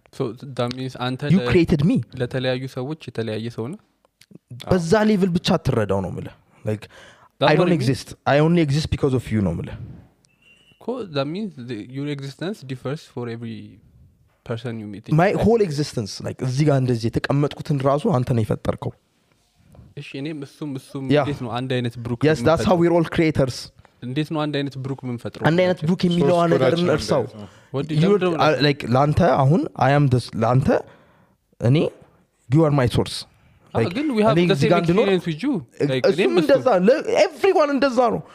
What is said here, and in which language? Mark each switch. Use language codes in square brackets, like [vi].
[en] so that means [am] አንተ [en] you created me [am] ለተለያየ ሰዎች የተለያየ ሰው ነው በዛ ሌቭል ብቻ ትረዳው ነው ማለት [en] like I don't exist I only exist because of you normally cool that means your existence differs for every person you meet my whole existence like [am] እዚህ ጋር እንደዚህ ተቀመጥኩትን ራሱ አንተ ነህ የፈጠርከው እሺ እኔ እሱም እንዴት ነው አንድ አይነት ብሩክ [en] yes that's how we're all creators [am] እንዴት ነው አንድ አይነት ብሩክ ምን ፈጠረው አንድ አይነት ብሩክ የሚለው ነገር እርሳው like ላንተ አሁን [en] I am this [am] ላንተ እኔ [en] you are my source Like, again we have the same experience with you like everyone in dazaro